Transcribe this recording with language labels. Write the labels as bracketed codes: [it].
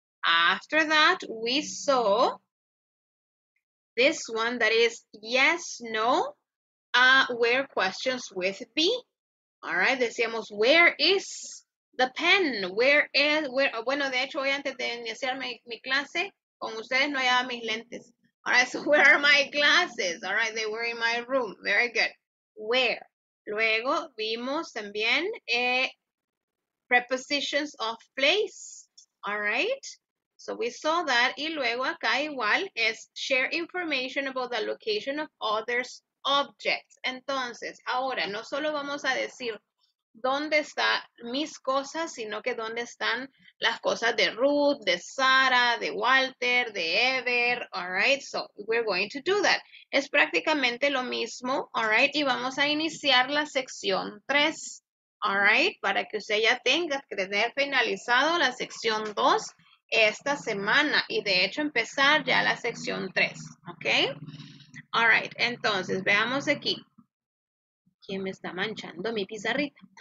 [en] After that, we saw this one, that is yes, no, where questions with be. All right, [es] decíamos, [en] where is the pen? [es] Bueno, de hecho, hoy antes de iniciar mi clase, con ustedes no llevaba mis lentes. [en] All right, so where are my glasses? All right, they were in my room. Very good. Where? [es] Luego vimos también [en] prepositions of place. All right. So we saw that, [es] y luego acá igual es [en] share information about the location of others' objects. [es] Entonces, ahora no solo vamos a decir dónde están mis cosas, sino que dónde están las cosas de Ruth, de Sara, de Walter, de Ever. [en] All right, so we're going to do that. [es] Es prácticamente lo mismo, [en] all right, [es] y vamos a iniciar la sección 3, all right, para que usted ya tenga que tener finalizado la sección 2. Esta semana, y de hecho empezar ya la sección 3, ¿ok? [en] All right, [es] entonces, veamos aquí. ¿Quién me está manchando mi pizarrita?